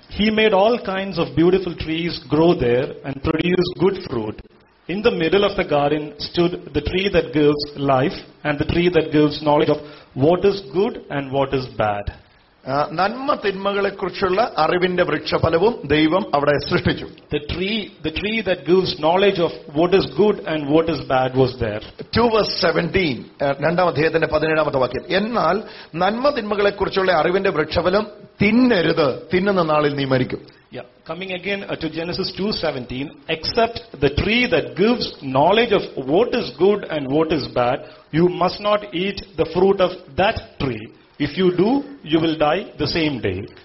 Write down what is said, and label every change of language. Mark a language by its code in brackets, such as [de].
[en] He made all kinds of beautiful trees grow there and produce good fruit. In the middle of the garden stood the tree that gives life and the tree that gives knowledge of what is good and what is bad. [ml] നന്മ തിന്മകളെ കുറിച്ചുള്ള അറിവിന്റെ വൃക്ഷഫലവും ദൈവം അവിടെ സൃഷ്ടിച്ചു. [en] The tree that gives knowledge of what is good and what is bad was there. [ml] 2:17, 2:17 വാക്യം. എന്നാൽ നന്മ തിന്മകളെ കുറിച്ചുള്ള അറിവിന്റെ വൃക്ഷഫലം തിന്നരുത്, തിന്നുന്ന നാളിൽ നീ മരിക്കും. [en] Coming again to Genesis 2:17, except the tree that gives knowledge of what is good and what is bad, you must not eat the fruit of that tree. If you do, you will die the same day.